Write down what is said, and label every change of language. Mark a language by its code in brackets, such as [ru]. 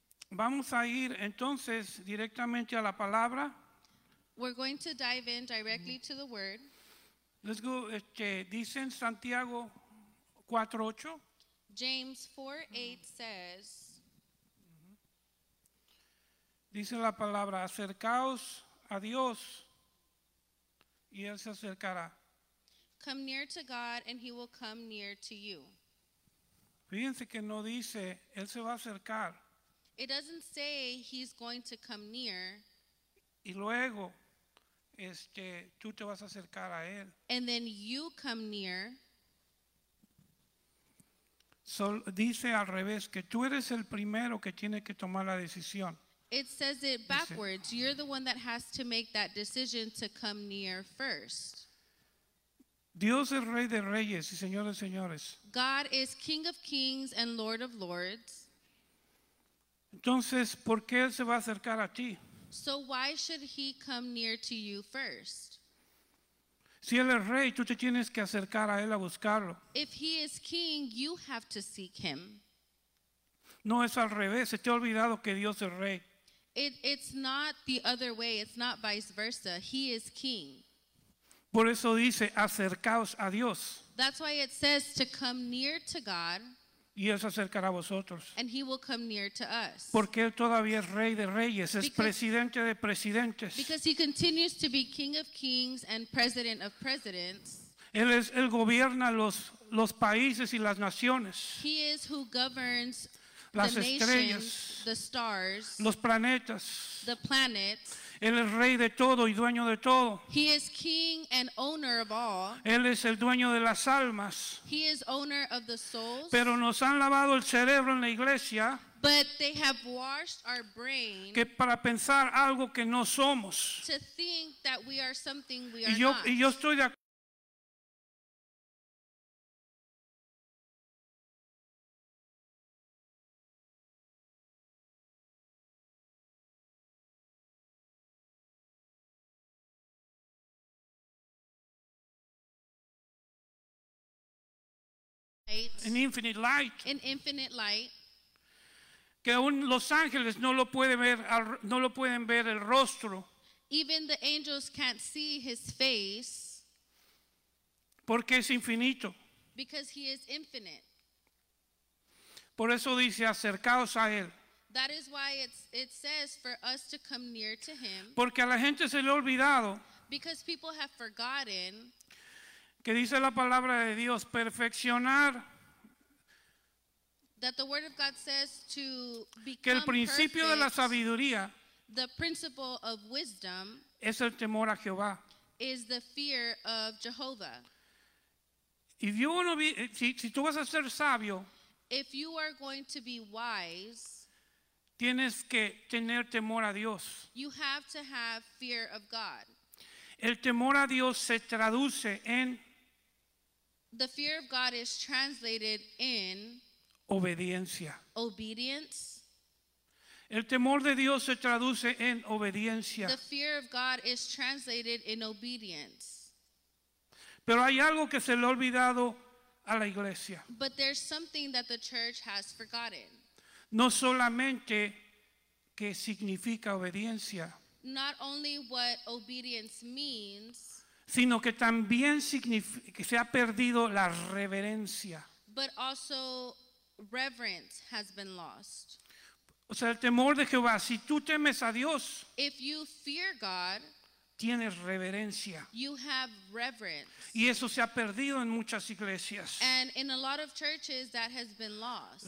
[es] Vamos a ir entonces directamente a la palabra. [en] We're going to dive in directly to the word. Let's go. [es] Dice en Santiago 4:8. [en] James 4:8 says. [es] Dice la palabra, acercaos a Dios y Él se acercará. [en] Come near to God and He will come near to you. [es] Fíjense que no dice, Él se va a acercar. [en] It doesn't say He's going to come near. [es] Y luego, tú te vas a acercar a Él. [en] And then you come near. [es] So, dice al revés, que tú eres el primero que tiene que tomar la decisión. [en] It says it backwards. [es] Dice, [en] you're the one that has to make that decision to come near first. [es] Dios es Rey de Reyes y Señor de Señores. [en] God is King of Kings and Lord of Lords. [es] Entonces, ¿por qué Él se va a acercar a ti? [en] So why should He come near to you first? [es] Si Él es Rey, tú te tienes que acercar a Él a buscarlo. [en] If He is King, you have to seek Him. [es] No es al revés. Se te ha olvidado que Dios es rey. [en] It's not the other way. It's not vice versa. He is king. [es] Por eso dice, acercaos a Dios. [en] That's why it says to come near to God. [es] Y él se acercará a vosotros. [en] And he will come near to us. [es] Porque él todavía es rey de reyes, es presidente de presidentes. [en] Because he continues to be king of kings and president of presidents. [es] Él gobierna los países y las naciones. [en] He is who governs [es] las [en] the [es] estrellas, [en] nations, the stars, [es] los planetas. [en] The planets. [es] Él es rey de todo y dueño de todo. [en] He is king and owner of all. [es] Él es el dueño de las almas. [en] He is owner of the souls. [es] Pero nos han lavado el cerebro en la iglesia. [en] But they have washed our brain. [es] Que para pensar algo que no somos. [en] To think that we are something we are not. [es] Y yo estoy de acuerdo. [en] In infinite light. In infinite light. [es] Que aún los ángeles no lo pueden ver, no lo pueden ver el rostro. [en] Even the angels can't see his face. [es] Porque es infinito. [en] Because he is infinite. [es] Por eso dice, acercaos a él. [en] That is why it says for us to come near to him. [es] Porque a la gente se le ha olvidado. [en] Because people have forgotten. [es] Que dice la palabra de Dios, perfeccionar. [en] That the word of God says to become [es] que el principio [en] perfect, [es] de la sabiduría, [en] the principle of wisdom, [es] es el temor a Jehová. [en] Is the fear of Jehovah. If you want to be, [es] si tú vas a ser sabio, [en] if you are going to be wise, [es] tienes que tener temor a Dios. [en] You have to have fear of God. [es] El temor a Dios se traduce en [en] the fear of God is translated in [es] obediencia. [en] Obedience. [es] El temor de Dios se traduce en obediencia. [en] The fear of God is translated in obedience. [es] Pero hay algo que se le ha olvidado a la iglesia. [en] But there's something that the church has forgotten. [es] No solamente que significa obediencia. [en] Not only what obedience means, [es] sino que también significa que se ha perdido la reverencia. [en] But also reverence has been lost. [es] O sea, el temor de Jehová, si tú temes a Dios, [en] if you fear God, [es] tienes reverencia. [en] You have reverence. [es] Y eso se ha perdido en muchas iglesias. [en] And in a lot of churches that has been lost.